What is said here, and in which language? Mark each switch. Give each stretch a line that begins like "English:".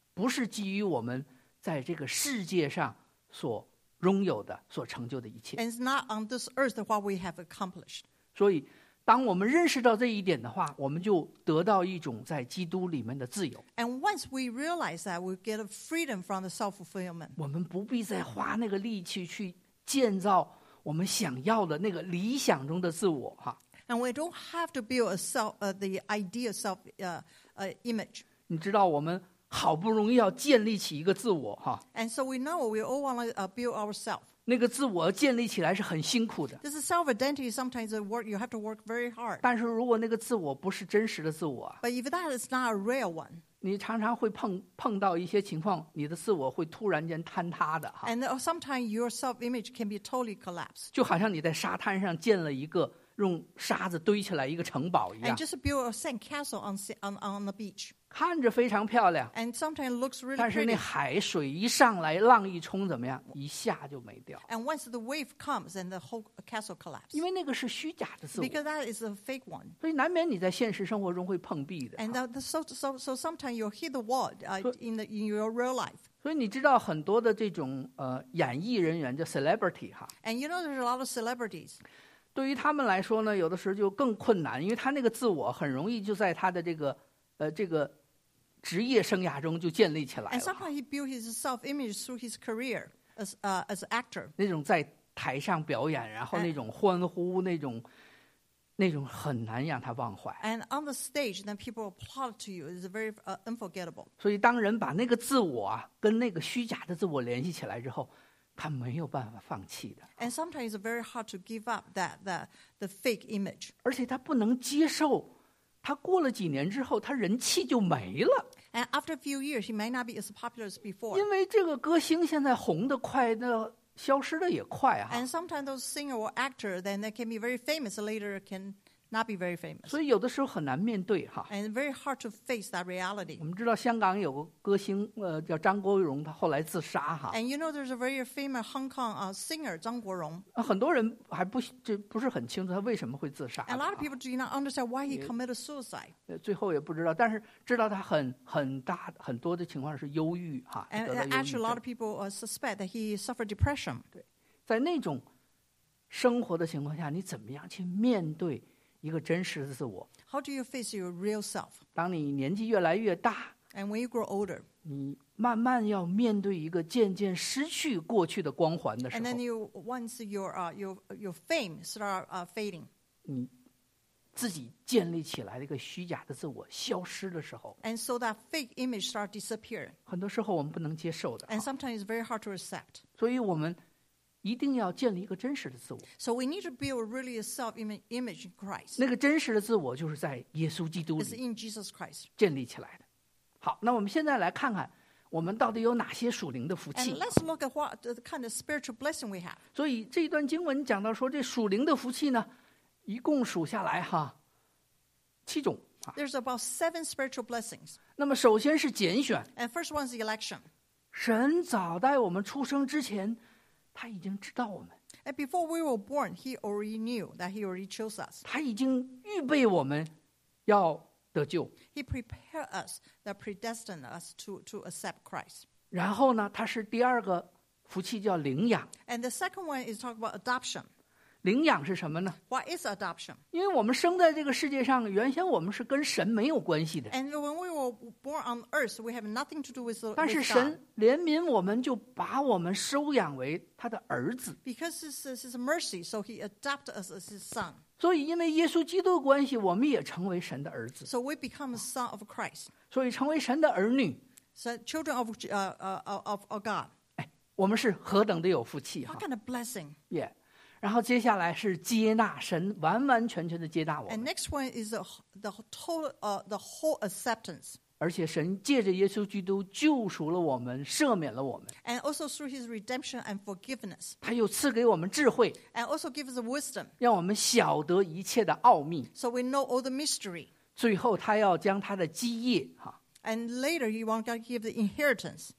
Chinese: 不是基于我们在这个世界上所拥有的、所成就的一切。
English: And it's not on this earth what we have accomplished.
Chinese: 所以当我们认识到这一点的话，我们就得到一种在基督里面的自由。
English: And once we realize that, we get a freedom from the self-fulfillment.
Chinese: 我们不必再花那个力气去建造我们想要的那个理想中的自我。
English: And we don't have to build a self, the ideal self, image.
Chinese: 你知道我们好不容易要建立起一个自我。
English: And so we know we all want to build ourselves.
Chinese: 那个自我建立起来是很辛苦的。
English: This is self-identity, sometimes work, you have to work very hard.
Chinese: 但是如果那个自我不是真实的自我。
English: But if that is not a real one.
Chinese: 你常常会 碰到一些情况，你的自我会突然间坍塌的。
English: And sometimes your self-image can be totally collapsed.
Chinese: 就好像你在沙滩上建了一个用沙子堆起来一个城堡一样。
English: And just build a sand castle on the beach.
Chinese: 看着非常漂亮。
English: And sometimes it looks really pretty.
Chinese: 但是那海水一上来，浪一冲，怎么样，一下就没掉。
English: And once the wave comes, and the whole castle collapses.
Chinese: 因为那个是虚假的自我。
English: Because that is a fake one.
Chinese: 所以难免你在现实生活中会碰壁的。
English: And so sometimes you'll hit the wall in your real life.
Chinese: 所以你知道很多的这种演艺人员叫 celebrity 哈。
English: And you know there's a lot of celebrities.
Chinese: 对于他们来说呢，有的时候就更困难，因为他那个自我很容易就在他的这个职业生涯中就建立起来了。
English: And somehow he built his self-image through his career as an actor.
Chinese: 那种在台上表演，然后那种欢呼，那种很难让他忘怀。
English: And on the stage, then people applaud to you. It's very unforgettable.
Chinese: 所以当人把那个自我啊跟那个虚假的自我联系起来之后，他没有办法放弃的。
English: And sometimes it's very hard to give up the fake image.
Chinese: 而且他不能接受，他过了几年之后，他人气就没了。
English: And after a few years, he may not be as popular as before.
Chinese: 因为这个歌星现在红得快，那消失得也快啊。
English: And sometimes those singer or actor, then they can be very famous, later can not be very famous.
Chinese: 所以有的时候很难面对哈。
English: And very hard to face that reality.
Chinese: 我们知道香港有个歌星叫张国荣，他后来自杀哈。
English: And you know there's a very famous Hong Kong singer, 张国荣。
Chinese: 很多人还不是很清楚他为什么会自杀。
English: And a lot of people do not understand why he committed suicide.
Chinese: 最后也不知道，但是知道他很多的情况是忧郁哈。
English: And actually a lot of people suspect that he suffered depression.
Chinese: 对，在那种生活的情况下，你怎么样去面对一个真实的自我。
English: How do you face your real self?
Chinese: 当你年纪越来越大，
English: And when you grow older,
Chinese: 你慢慢要面对一个渐渐失去过去的光环的时候，
English: And then you, once your fame start fading,
Chinese: 你自己建立起来的一个虚假的自我消失的时候，
English: And so that fake image start disappearing,
Chinese: 很多时候我们不能接受的，
English: And sometimes it's very hard to accept.
Chinese: 所以我们一定要建立一个真实的自我。
English: So we need to build really a self-image in Christ.
Chinese: 那个真实的自我就是在耶稣基督里
English: It's in Jesus Christ.
Chinese: 建立起来的。好，那我们现在来看看我们到底有哪些属灵的福气。
English: And let's look at what the kind of spiritual blessing we have.
Chinese: 所以这一段经文讲到说，这属灵的福气呢，一共数下来哈，七种。
English: There's about seven spiritual blessings.
Chinese: 那么首先是拣选。
English: And first one is election.
Chinese: 神早在我们出生之前，他已经知道我们。
English: And before we were born, he already knew that he already chose us.
Chinese: 他已经预备我们要得救。
English: He prepared us, that predestined us to accept Christ.
Chinese: 然后呢，他是第二个福气叫领养。
English: And the second one is talk about adoption.
Chinese: 领养是什么呢
English: ？What is adoption？
Chinese: 因为我们生在这个世界上，原先我们是跟神没有关系的。
English: And when we were born on earth, we have nothing to do with God.
Chinese: 但是神怜悯我们，就把我们收养为他的儿子。
English: Because this is mercy, so he adopted us as his son.
Chinese: 所以因为耶稣基督的关系，我们也成为神的儿子。
English: So we become a son of Christ.
Chinese: 所以成为神的儿女。
English: So children of God.
Chinese: 哎，我们是何等的有福气哈
English: ！What kind of blessing？ Yeah.
Chinese: 然后接下来是接纳神完完全全的接纳我们。
English: And next one is the whole acceptance.
Chinese: 而且神借着耶稣基督救赎了我们，赦免了我们。
English: And also through his redemption and forgiveness.
Chinese: 他又赐给我们智慧。
English: And also gives us wisdom.
Chinese: 让我们晓得一切的奥秘。
English: So we know all the mystery.
Chinese: 最后他要将他的基业哈。
English: And later he wants to give the inheritance.